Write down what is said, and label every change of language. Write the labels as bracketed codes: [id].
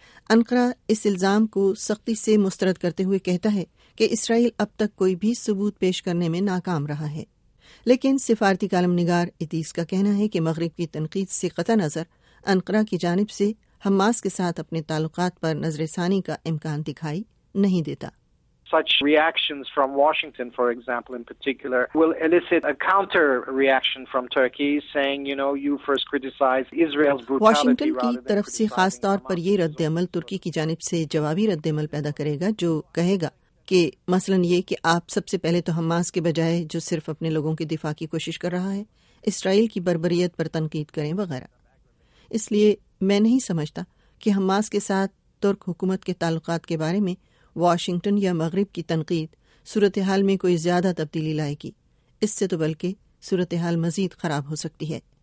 [ur] Ankara اس الزام کو سختی سے مسترد کرتے ہوئے کہتا ہے کہ اسرائیل اب تک کوئی بھی ثبوت پیش کرنے میں ناکام رہا ہے. لیکن سفارتی کالم نگار ادیس کا کہنا ہے کہ مغرب کی تنقید سے قطع نظر انقرہ کی جانب سے حماس کے ساتھ اپنے تعلقات پر نظر ثانی کا امکان دکھائی نہیں دیتا. [en] Such reactions from Washington, for example, in particular, will elicit a counter reaction from Turkey, saying, you know, you first criticize Israel's brutality. [ur] Washington کی طرف سے خاص طور پر یہ رد عمل ترکی کی جانب سے جوابی رد عمل پیدا کرے گا جو کہے گا کہ مثلا یہ کہ آپ سب سے پہلے تو حماس کے بجائے جو صرف اپنے لوگوں کے دفاع کی کوشش کر رہا ہے اسرائیل کی بربریت پر تنقید کریں وغیرہ. اس لیے میں نہیں سمجھتا کہ حماس کے ساتھ ترک حکومت کے تعلقات کے بارے میں واشنگٹن یا مغرب کی تنقید صورتحال میں کوئی زیادہ تبدیلی لائے گی، اس سے تو بلکہ صورتحال مزید خراب ہو سکتی ہے.